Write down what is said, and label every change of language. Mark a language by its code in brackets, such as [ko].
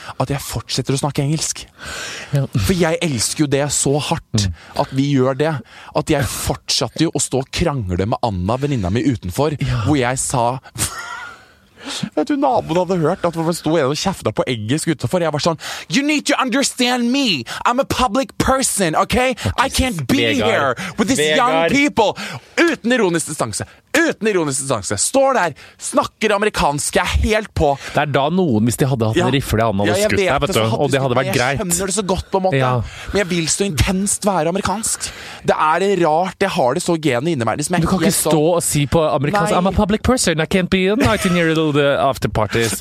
[no] At jeg fortsetter å snakke engelsk. Ja. For jeg elsker jo det så hardt, at vi gjør det. At jeg fortsatte jo å stå og krangle med Anna, venninna mi utenfor, hvor jeg sa... Vet du, naboen hadde hørt at man stod igjen og kjeftet på egget utenfor. Jeg var sånn, [en] you need to understand me. I'm a public person, okay? I can't be here with these young people. [no] Uten ironisk distanse. Uten ironisk distanse. Står der, snakker amerikansk, jeg helt på. Det da noen, hvis de hadde hatt en riffle, han hadde skutt deg, vet du. Og det hadde vært greit. Jeg skjønner det så godt på en måte. Ja. Men jeg vil så intenst være amerikansk. Det det rart, jeg har det så genet inni meg. Du kan ikke stå og si på amerikansk, [en] I'm a public person, I can't be a 19-year-old after parties.